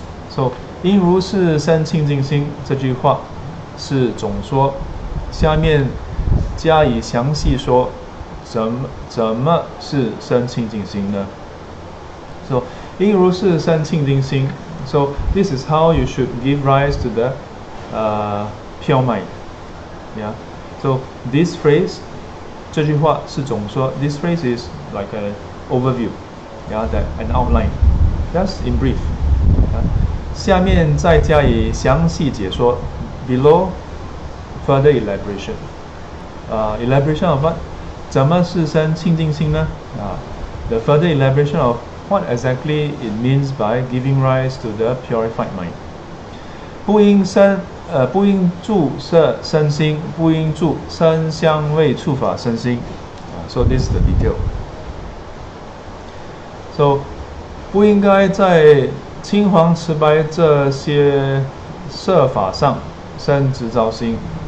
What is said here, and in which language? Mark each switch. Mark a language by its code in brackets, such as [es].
[zh] So, 应如是生清净心这句话是总说，下面加以详细说，怎么是生清净心呢？ So, 应如是生清净心。 [en] So, this is how you should give rise to the, pure mind. Yeah. So this phrase, [zh] 这句话是总说 [en] This phrase is like an overview, yeah, that an outline, just in brief. Yeah. [zh] 下面再加以详细解说 [en] Below, further elaboration. Elaboration of what? [zh] 怎么是生清净心呢？ [en] The further elaboration of what exactly it means by giving rise to the purified mind. [zh] 不应生不应住色身心，不应住声香味触法身心。 [en] So this is the detail. [zh] So 不应该在青黄赤白这些色法上生执着心。